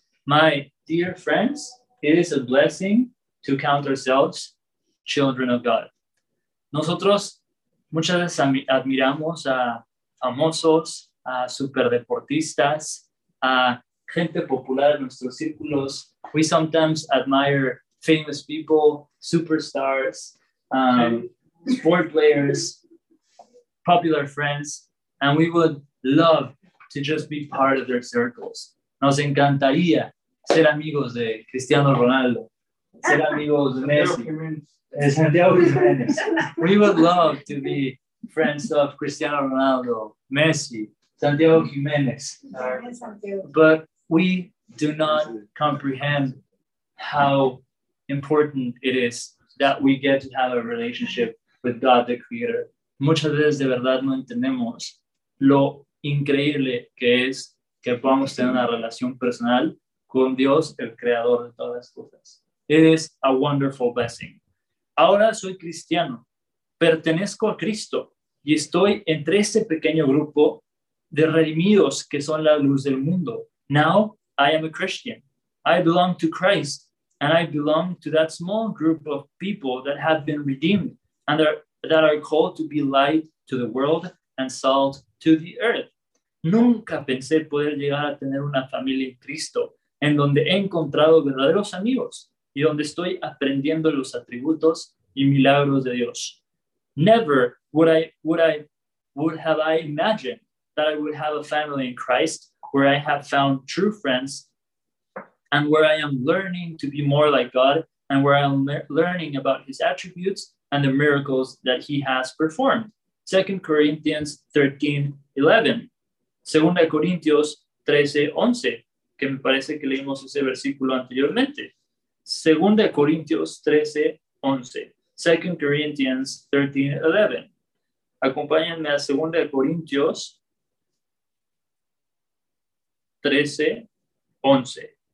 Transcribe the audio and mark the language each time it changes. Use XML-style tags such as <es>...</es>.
<en>My dear friends, it is a blessing to count ourselves children of God.</en> <es>Nosotros muchas veces admiramos a famosos, a superdeportistas, a gente popular en nuestros círculos.</es> <en>We sometimes admire famous people, superstars, sport players, popular friends, and we would love to just be part of their circles.</en> <es>Nos encantaría ser amigos de Cristiano Ronaldo, ser amigos de Messi, de Santiago Jiménez.</es> <en>We would love to be friends of Cristiano Ronaldo, Messi, Santiago Jiménez. But we do not comprehend how important it is that we get to have a relationship with God the Creator.</en> <es>Muchas veces de verdad no entendemos lo increíble que es que podamos tener una relación personal con Dios, el creador de todas las cosas.</es> <en>It is a wonderful blessing.</en> <es>Ahora soy cristiano, pertenezco a Cristo y estoy entre este pequeño grupo de redimidos que son la luz del mundo.</es> <en>Now I am a Christian. I belong to Christ and I belong to that small group of people that have been redeemed and that are called to be light to the world and salt to the earth.</en> <es>Nunca pensé poder llegar a tener una familia en Cristo, en donde he encontrado verdaderos amigos y donde estoy aprendiendo los atributos y milagros de Dios.</es> <en>Never would I imagine that I would have a family in Christ where I have found true friends and where I am learning to be more like God, and where I'm learning about his attributes and the miracles that he has performed. 2 Corinthians 13:11.</en> <es>2 Corintios 13:11, que me parece que leímos ese versículo anteriormente. 2 Corintios 13:11. 2 Corinthians 13:11. Acompáñenme a 2 Corintios 13:11.</es>